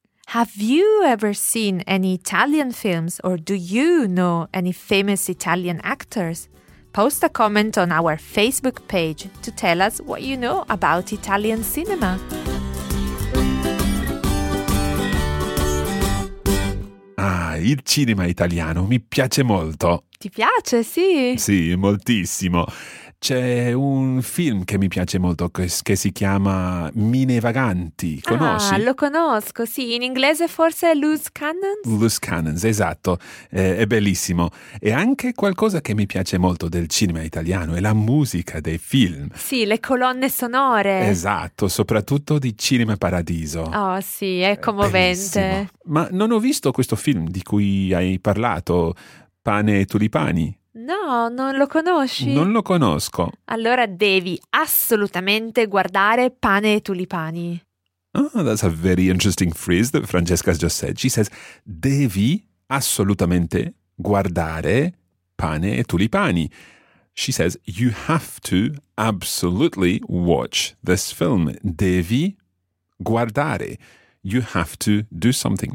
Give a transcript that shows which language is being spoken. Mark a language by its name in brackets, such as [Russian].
[English] Have you ever seen any Italian films, or do you know any famous Italian actors? Post a comment on our Facebook page to tell us what you know about Italian cinema. [Italian] Il cinema italiano mi piace molto. Ti piace, sì? Sì, moltissimo. C'è un film che mi piace molto che si chiama Mine Vaganti. Conosci? Ah, lo conosco, sì. In inglese forse è Loose Cannons? Loose Cannons, esatto. È bellissimo. E anche qualcosa che mi piace molto del cinema italiano è la musica dei film. Sì, le colonne sonore. Esatto, soprattutto di Cinema Paradiso. Oh, sì, è commovente. Bellissimo. Ma non ho visto questo film di cui hai parlato, Pane e Tulipani. No, non lo conosci? Non lo conosco. Allora devi assolutamente guardare Pane e Tulipani. [English] Oh, that's a very interesting phrase that Francesca has just said. She says, [Italian] devi assolutamente guardare Pane e Tulipani. [English] She says, you have to absolutely watch this film. [Italian] Devi guardare. [English] You have to do something.